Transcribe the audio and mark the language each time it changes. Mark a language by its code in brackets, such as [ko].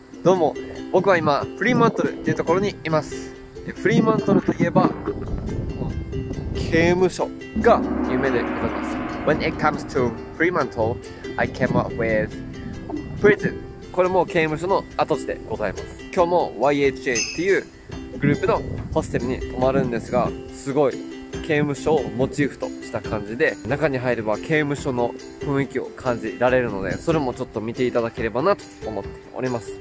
[ja] どうも、僕は今、フリーマントルというところにいます。フリーマントルといえば、刑務所が有名でございます。 [en] When it comes to Fremantle, I came up with prison. [ja] これも刑務所の跡地でございます。今日も YHJ っていうグループのホステルに泊まるんですが、すごい刑務所をモチーフとした感じで、中に入れば刑務所の雰囲気を感じられるので、それもちょっと見ていただければなと思っております。